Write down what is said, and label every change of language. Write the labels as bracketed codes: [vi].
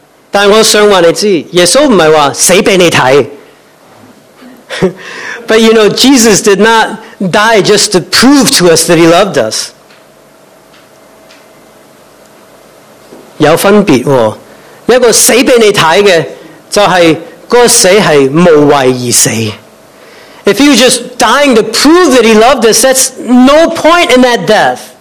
[zh] 但我想说你知, 耶稣不是说死给你看。 [en] But you know, Jesus did not die just to prove to us that he loved us. [zh] 有分别哦, 一个死给你看的就是 [en] If he was just dying to prove that he loved us, that's no point in that death.